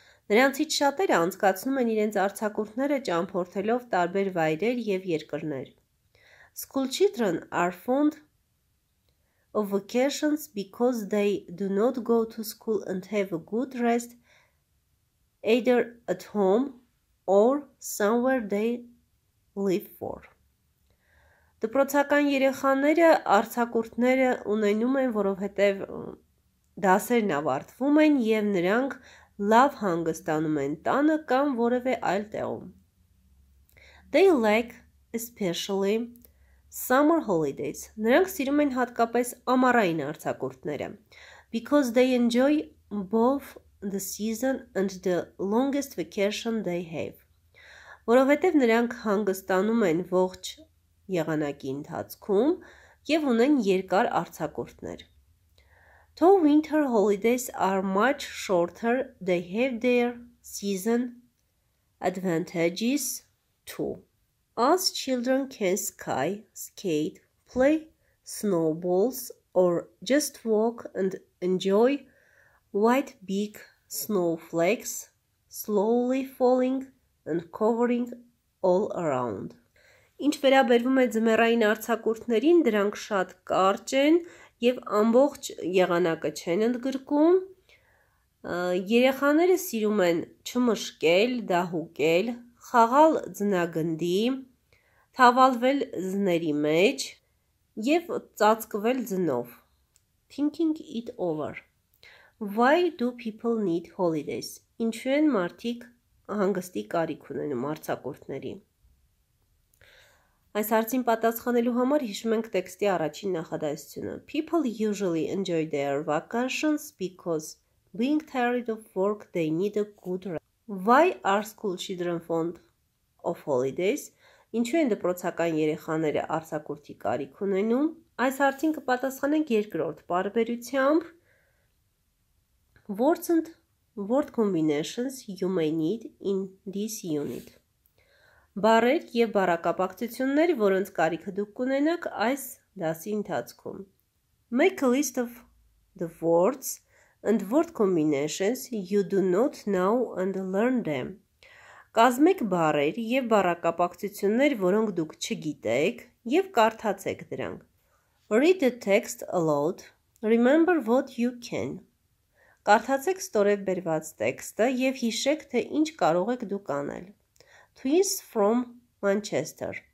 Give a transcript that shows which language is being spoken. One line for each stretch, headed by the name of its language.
Armenian: Նրանցից շատերը անցկացնում են իրենց արձակուրդները ճամփորդելով տարբեր վայրեր և երկրներ։
English: School children are fond of vacations because they do not go to school and have a good rest. Either at home or somewhere they live for.
Armenian: Դպրոցական երեխաները արձակուրդները ունենում են, որովհետև դասերն ավարտվում են և նրանք լավ հանգստանում են տանը կամ որևէ այլ տեղում.
English: They like especially summer holidays.
Armenian: Նրանք սիրում են հատկապես ամառային արձակուրդները.
English: Because they enjoy both the season and the longest vacation they have.
Armenian: Որովհետև նրանք հանգստանում են ողջ եղանակի ընթացքում և ունեն երկար արձակուրդներ.
English: Though winter holidays are much shorter, they have their season advantages too. As children can ski, skate, play snowballs or just walk and enjoy white big snowflakes slowly falling and covering all around.
Armenian: Ինչ վերաբերվում է ձմեռային արձակուրդներին, դրանք շատ կարճ են և ամբողջ եղանակը չեն ընդգրկում. Երեխաները սիրում են չմշկել, դահուկել, խաղալ ձնագնդի, թավալվել ձների մեջ և ծածկվել ձնով.
English: Thinking it over. Why do people need holidays?
Armenian: Ինչու են մարդիկ հանգստի կարիք ունենում արձակուրդների։ Այս հարցին պատասխանելու համար հիշում ենք տեքստի առաջին նախադասությունը.
English: People usually enjoy their vacations because being tired of work they need a good rest. Why are school children fond of holidays?
Armenian: Ինչու են դպրոցական երեխաները արձակուրդի կարիք ունենում։ Այս հարցին կպատասխանենք երկրորդ պարբերությամբ։
English: Words and word combinations you may need in this unit.
Armenian: Բառեր և բառակապակցություններ, որոնց կարիքը դուք կունենաք այս դասի ընթացքում.
English: Make a list of the words and word combinations you do not know and learn them.
Armenian: Կազմեք բառեր և բառակապակցություններ, որոնք դուք չգիտեք և կարդացեք դրանք.
English: Read the text aloud. Remember what you can.
Armenian: Կարդացեք ստորև բերված տեքստը և հիշեք, թե ինչ կարող եք դուք անել։
English: Twins from Manchester.